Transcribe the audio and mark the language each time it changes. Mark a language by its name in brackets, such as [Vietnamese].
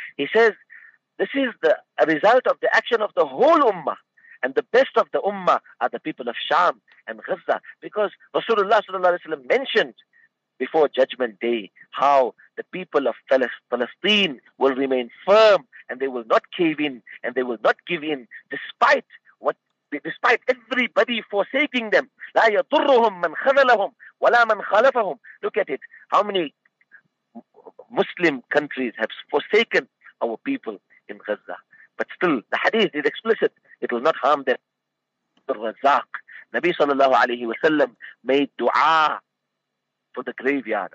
[English] He says, this is a result of the action of the whole ummah, and the best of the ummah are the people of Sham and Gaza, because Rasulullah sallallahu alaihi wasallam mentioned before Judgment Day how the people of Palestine will remain firm, and they will not cave in, and they will not give in, despite everybody forsaking them. [Arabic] لا يضرهم من خذلهم ولا من خالفهم. [English] Look at it. How many Muslim countries have forsaken our people in Gaza? But still, the hadith is explicit. It will not harm them. الرزاق. Nabi sallallahu alayhi wa sallam made dua for the graveyard.